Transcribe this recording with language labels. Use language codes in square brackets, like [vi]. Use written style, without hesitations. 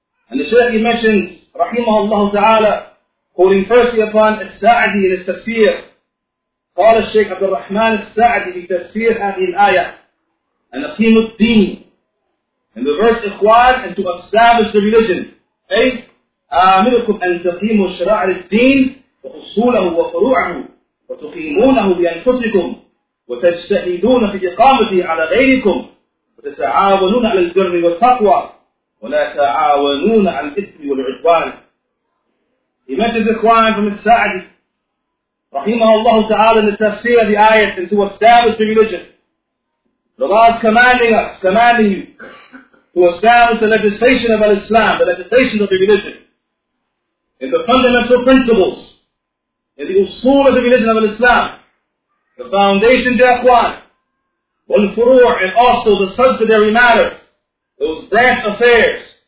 [en] And the Shaykh mentioned, rahimahullah Ta'ala, quoting firstly upon al-Sa'di in his tafsir, [ar] قال الشيخ عبد الرحمن السعدي في تفسير هذه الآية أن أقيم الدين [en] in the verse إخوان and to establish the religion. [ar] أي أمركم أن تقيموا شرائع الدين وأصوله وفروعه وتقيمونه بأنفسكم وتجتهدون في إقامته على غيركم وتتعاونون على البر والتقوى ولا تعاونون على الإثم والعدوان. [en] He mentions Ikhwan from Al-Sa'di, رحمه الله تعالى, in the tafsir of the ayat, and to establish the religion. The Lord is commanding us, commanding you, to establish the legislation of Al-Islam, the legislation of the religion, in the fundamental principles, in the usul of the religion of Islam, the foundation of Ikhwan, wal-furu', and also the subsidiary matters, those branch affairs,